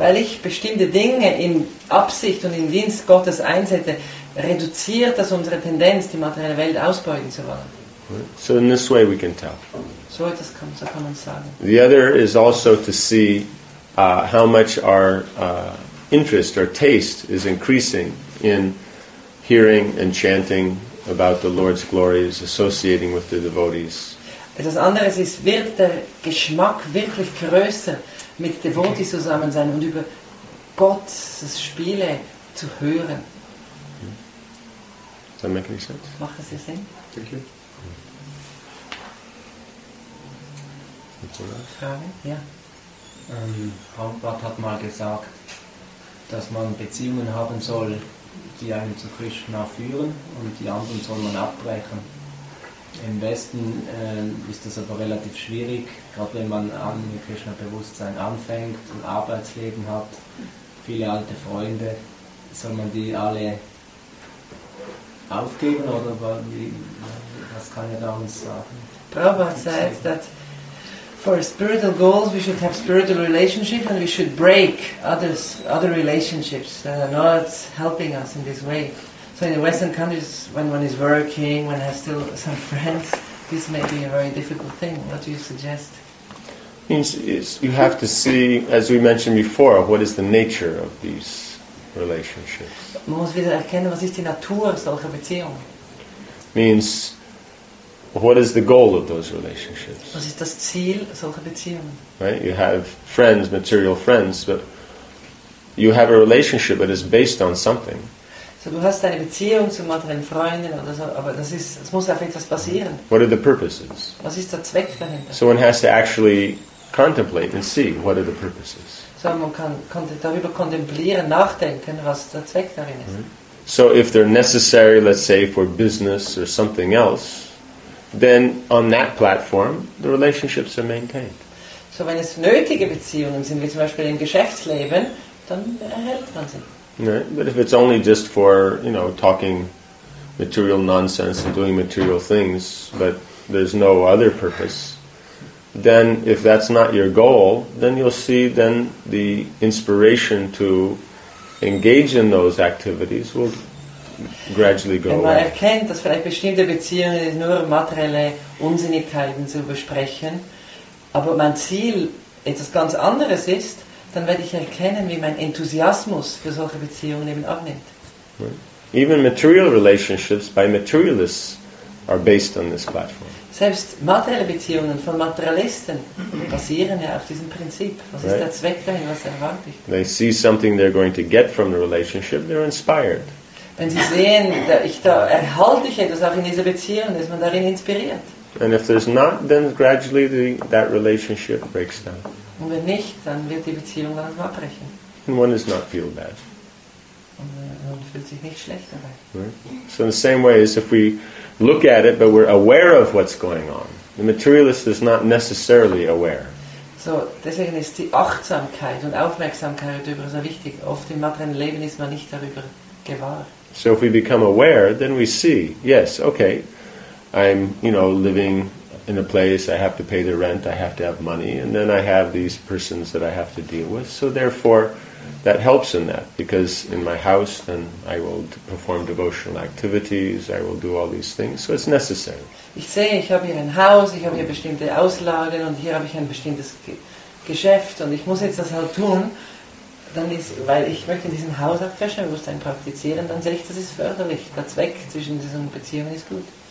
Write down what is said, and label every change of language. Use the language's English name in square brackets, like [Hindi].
[German] Weil ich bestimmte Dinge in Absicht und in Dienst Gottes einsetze, reduziert das unsere Tendenz, die materielle Welt ausbeuten zu wollen. [English] So in this way we can tell. [German] So etwas kann, so kann man sagen. [English] The other is also to see how much our interest or taste is increasing in hearing and chanting about the Lord's glories, associating with the devotees. [German] Etwas anderes ist, wird der Geschmack wirklich größer, mit Devotees zusammen sein und über Gottes Spiele zu hören? [English] Does that make any sense? [German] Macht das Sinn? [English] Thank you. [German] Frage? Ja. Prabhupada hat mal gesagt, dass man Beziehungen haben soll, die einen zu Krishna führen, und die anderen soll man abbrechen. Im Westen ist das aber relativ schwierig, gerade wenn man an Krishna-Bewusstsein anfängt und Arbeitsleben hat, viele alte Freunde. Soll man die alle aufgeben, oder was kann er da uns sagen? [English] Prabhupada said that for spiritual goals we should have spiritual relationships and we should break other relationships that are not helping us in this way. So in the Western countries, when one is working, when one has still some friends, this may be a very difficult thing. What do you suggest? You have to see, as we mentioned before, what is the nature of these relationships. [German] Man muss wieder erkennen, was ist die Natur solcher Beziehungen. [English] Means, what is the goal of those relationships? [German] Was ist das Ziel solcher Beziehungen? [English] Right, you have friends, material friends, but you have a relationship that is based on something. [German] So du hast eine Beziehung zu materiellen Freunden oder so, aber das muss auf etwas basieren. [English] What are the purposes? [German] Was ist der Zweck dahinter? [English] So one has to actually contemplate and see what are the purposes. [German] So man kann darüber kontemplieren, nachdenken, was der Zweck darin ist. [English] So if they're necessary, let's say for business or something else, then on that platform the relationships are maintained. [German] So wenn es nötige Beziehungen sind, wie zum Beispiel im Geschäftsleben, dann erhält man sie. [English] Right. But if it's only just for, you know, talking material nonsense and doing material things, but there's no other purpose, then if that's not your goal, then you'll see then the inspiration to engage in those activities will gradually go away. [German] Wenn man erkennt, dass vielleicht bestimmte Beziehungen nur materielle Unsinnigkeiten zu besprechen, aber mein Ziel etwas ganz anderes ist, dann werde ich erkennen, wie mein Enthusiasmus für solche Beziehungen eben abnimmt. [English] Even material relationships by materialists are based on this platform. [German] Selbst materielle Beziehungen von Materialisten basieren ja auf diesem Prinzip. Was ist der Zweck dahin, was erwarte ich? [English] They see something they're going to get from the relationship, they're inspired. [German] Wenn sie sehen, erhalte ich etwas auch in dieser Beziehung, ist man darin inspiriert. [English] And if there's not, then gradually that relationship breaks down. [German] Und wenn nicht, dann wird die Beziehung langsam abbrechen. [English] And one does not feel bad. [German] Und man fühlt sich nicht schlecht dabei. [English] Right? So in the same way as if we look at it, but we're aware of what's going on. The materialist is not necessarily aware. [German] So, deswegen ist die Achtsamkeit und Aufmerksamkeit darüber so wichtig. Oft im materiellen Leben ist man nicht darüber gewahr. [English] So if we become aware, then we see, yes, okay, I'm, you know, living in a place, I have to pay the rent, I have to have money, and then I have these persons that I have to deal with. So therefore, that helps in that, because in my house, then I will perform devotional activities, I will do all these things, so it's necessary. [German] Ich sehe, ich habe hier ein Haus, ich habe hier bestimmte Auslagen, und hier habe ich ein bestimmtes Geschäft, und ich muss jetzt das halt tun, dann ist, weil ich möchte in diesem Haus auch Krishna-Bewusstsein praktizieren, dann sehe ich, das ist förderlich, der Zweck zwischen diesen Beziehungen ist gut.